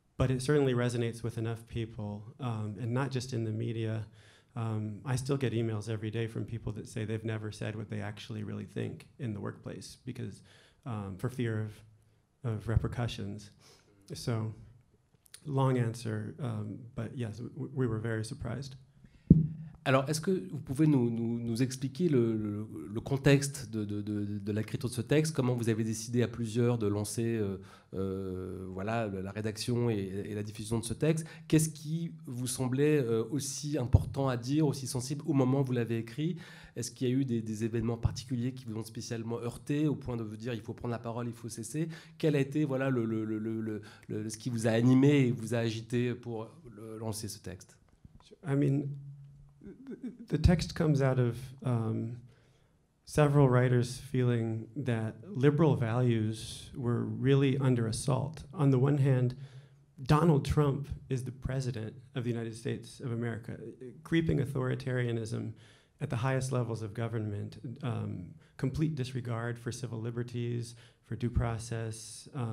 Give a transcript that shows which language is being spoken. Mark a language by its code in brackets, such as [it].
[en] but it certainly resonates with enough people, and not just in the media. I still get emails every day from people that say they've never said what they actually really think in the workplace because for fear of repercussions. So long answer, but yes, we were very surprised. [fr] Alors, est-ce que vous pouvez nous expliquer le contexte de l'écriture de ce texte? Comment vous avez décidé à plusieurs de lancer la rédaction et la diffusion de ce texte? Qu'est-ce qui vous semblait aussi important à dire, aussi sensible au moment où vous l'avez écrit? Est-ce qu'il y a eu des événements particuliers qui vous ont spécialement heurté au point de vous dire il faut prendre la parole, il faut cesser? Quel a été ce qui vous a animé et vous a agité pour lancer ce texte? [en] The text comes out of several writers feeling that liberal values were really under assault. On the one hand, Donald Trump is the president of the United States of America. Creeping authoritarianism at the highest levels of government, complete disregard for civil liberties, for due process,